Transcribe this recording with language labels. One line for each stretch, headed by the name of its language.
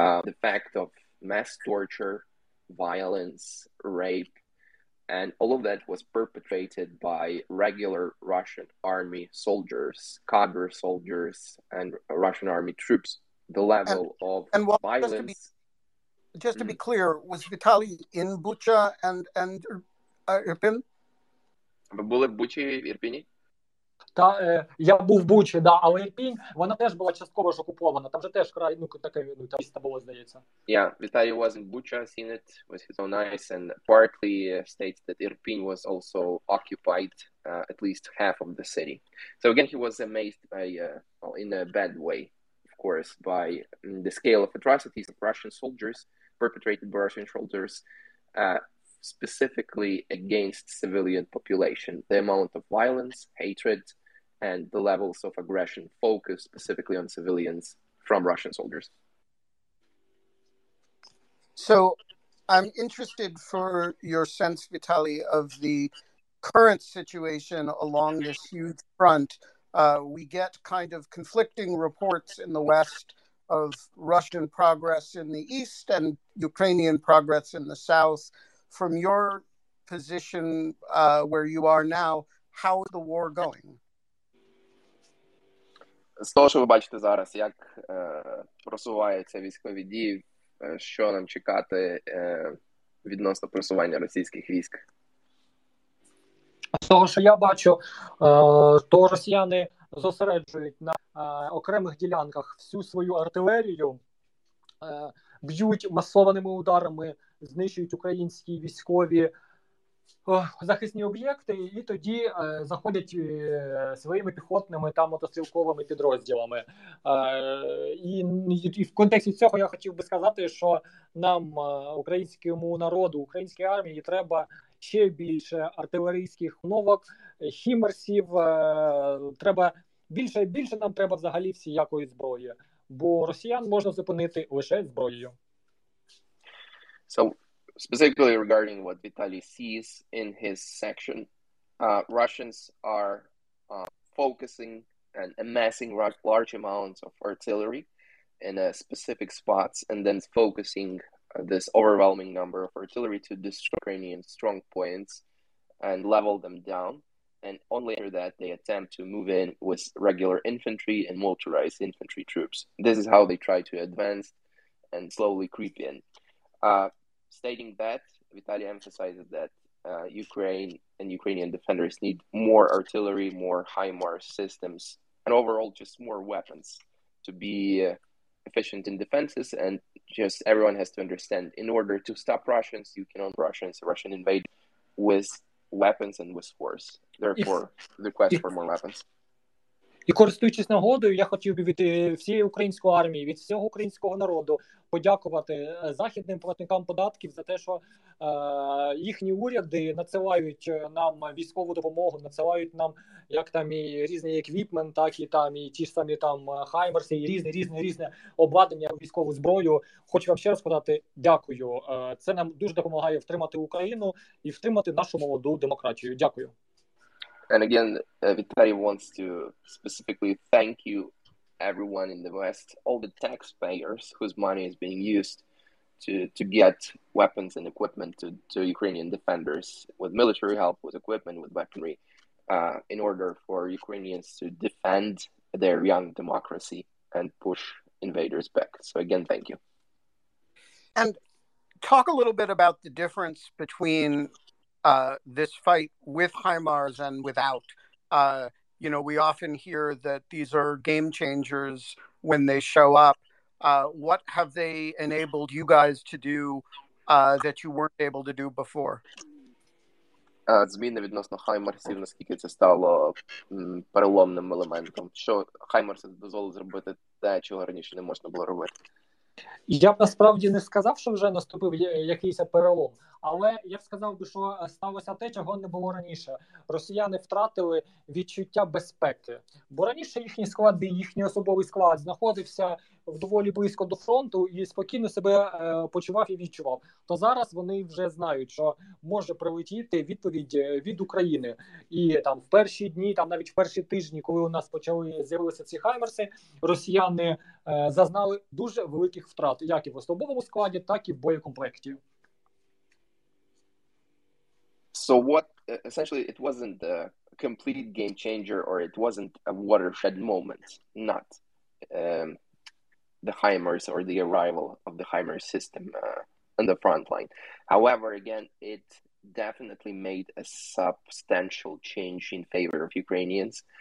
English: The fact of mass torture, violence, rape, and all of that was perpetrated by regular Russian army soldiers, cadre soldiers, and Russian army troops. The level of violence. Just to be clear, was Vitalii in Bucha and Irpin?
Ukrainian: Були в Бучі, Ірпіні? Та я був Бучі, да, але Ірпінь, вона теж була частково ж окупована. Там же теж край, ну, таке, ну, там місто було, здається.
English: Yeah, Vitalii was in Bucha, seen it with his own eyes, and partly states that Irpin was also occupied, at least half of the city. So again, he was amazed by, well, in a bad way, of course, by the scale of atrocities of Russian soldiers perpetrated by Russian soldiers, specifically against civilian population. The amount of violence, hatred, and the levels of aggression focused specifically on civilians from Russian soldiers. So I'm interested for your sense, Vitalii, of the current situation along this huge front. We get kind of conflicting reports in the West of Russian progress in the East and Ukrainian progress in the South. From your position where you are now, how is the war going?
Ukrainian: З того, що ви бачите зараз, як просуваються військові дії, що нам чекати відносно просування російських військ? З того, що я бачу, то росіяни зосереджують на окремих ділянках всю свою артилерію, б'ють масованими ударами, знищують українські військові захисні об'єкти і тоді заходять своїми піхотними та мотострілковими підрозділами. І в контексті цього я хотів би сказати, що нам, українському народу, українській армії, треба ще більше артилерійських новок, хімерсів, треба більше і більше нам треба взагалі всіякої зброї, бо росіян можна зупинити лише зброєю.
English: So, specifically regarding what Vitalii sees in his section, Russians are focusing and amassing large amounts of artillery in specific spots and then focusing this overwhelming number of artillery to destroy Ukrainian strong points and level them down. And only after that, they attempt to move in with regular infantry and motorized infantry troops. This is how they try to advance and slowly creep in. Stating that, Vitalii emphasizes that Ukraine and Ukrainian defenders need more artillery, more HIMARS systems, and overall just more weapons to be efficient in defenses. And just everyone has to understand, in order to stop Russians, you can own Russians, a Russian invade with weapons and with force. Therefore, the quest for more weapons.
Ukrainian: І користуючись нагодою, я хотів би від всієї української армії, від всього українського народу подякувати західним платникам податків за те, що їхні уряди надсилають нам військову допомогу, надсилають нам як там і різний еквіпмент, так і там і ті ж самі там хаймерси, і різне обладнання, військову зброю. Хочу вам ще раз сказати дякую. Це нам дуже допомагає втримати Україну і втримати нашу молоду демократію. Дякую.
English: And again, Vitalii wants to specifically thank you, everyone in the West, all the taxpayers whose money is being used to get weapons and equipment to Ukrainian defenders with military help, with equipment, with weaponry, in order for Ukrainians to defend their young democracy and push invaders back. So again, thank you. And talk a little bit about the difference between this fight with HIMARS and without. You know, we often hear that these are game changers when they show up. What have they enabled you guys to do that you weren't able to do before?
Ukrainian: Зміни відносно HIMARSів, наскільки це стало переломним елементом. Що HIMARS дозволив зробити те, чого раніше не можна було робити? Я б насправді не сказав, що вже наступив якийсь перелом, але я б сказав би, що сталося те, чого не було раніше. Росіяни втратили відчуття безпеки, бо раніше їхній склад, їхній особовий склад знаходився доволі близько до фронту і спокійно себе почував і відчував. То зараз вони вже знають, що може прилетіти відповідь від України. І там в перші дні, там навіть в перші тижні, коли у нас почали з'явилися ці хаймерси, росіяни зазнали дуже великих втрат, як і в особовому складі, так і в боєкомплекті.
English: So what, essentially, it wasn't a complete game changer or it wasn't a watershed moment, not the HIMARS or the arrival of the HIMARS system on the front line. However, again, it definitely made a substantial change in favor of Ukrainians.